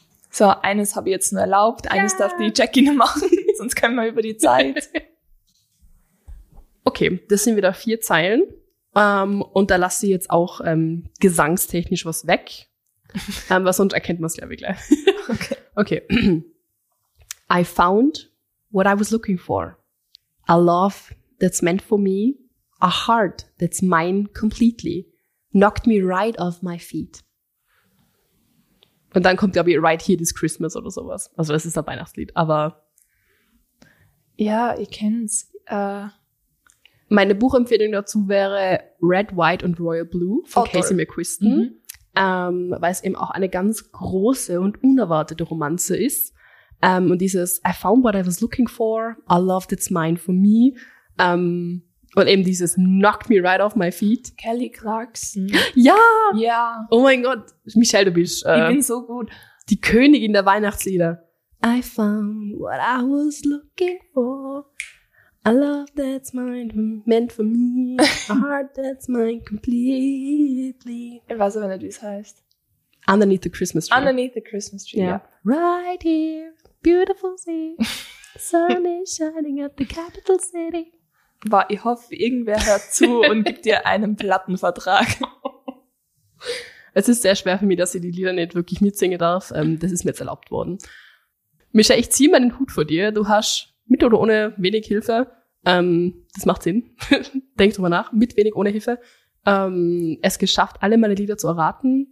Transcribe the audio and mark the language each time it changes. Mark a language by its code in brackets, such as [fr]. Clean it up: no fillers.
[de] So, eines habe ich jetzt nur erlaubt. Eines darf die Jackie nur machen, sonst können wir über die Zeit. Okay, das sind wieder vier Zeilen. Und da lasse ich jetzt auch gesangstechnisch was weg. Weil sonst erkennt man es, glaube ich, gleich. Okay. [en] I found what I was looking for. A love that's meant for me. A heart that's mine completely. Knocked me right off my feet. [de] Und dann kommt, glaube ich, Right Here This Christmas oder sowas. Also das ist ein Weihnachtslied, aber... Ja, ich kenn's. Meine Buchempfehlung dazu wäre Red, White und Royal Blue von Casey McQuiston. Mhm. Weil es eben auch eine ganz große und unerwartete Romanze ist. Und dieses [en] I found what I was looking for, I loved it's mine for me. [de] Und eben dieses [en] Knocked me right off my feet. [de] Kelly Clarkson. Ja! Ja. Oh mein Gott. Michelle, du bist... ich bin so gut. Die Königin der Weihnachtslieder. [en] I found what I was looking for. A love that's mine, meant for me. A heart that's mine completely. [de] Ich weiß aber nicht, wie es heißt. [en] Underneath the Christmas tree. Underneath the Christmas tree, yeah. Right here, beautiful scene. Sun is shining at the capital city. [de] Wow, ich hoffe, irgendwer hört zu und gibt dir einen Plattenvertrag. Es ist sehr schwer für mich, dass ich die Lieder nicht wirklich mitsingen darf. Das ist mir jetzt erlaubt worden. Micha, ich ziehe meinen Hut vor dir. Du hast mit oder ohne wenig Hilfe, das macht Sinn, denk drüber nach, mit wenig ohne Hilfe, es geschafft, alle meine Lieder zu erraten.